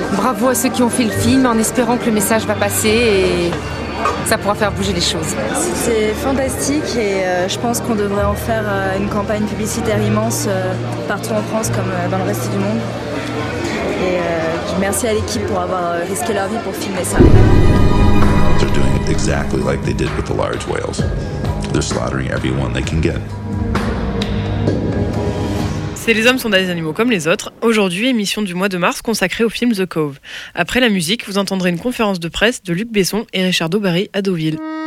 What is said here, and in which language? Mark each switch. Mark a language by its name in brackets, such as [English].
[French] Bravo à ceux qui ont fait le film, en espérant que le message va passer et ça pourra faire bouger les choses. C'est fantastique et je pense qu'on devrait en faire une campagne publicitaire immense partout en France comme dans le reste du monde. Et merci à l'équipe pour avoir risqué leur vie pour filmer ça. [English] They're doing it exactly like they did with the large whales. They're slaughtering everyone they can get. [French] C'est Les Hommes sont des animaux comme les autres. Aujourd'hui, émission du mois de mars consacrée au film The Cove. Après la musique, vous entendrez une conférence de presse de Luc Besson et Richard O'Berry à Deauville.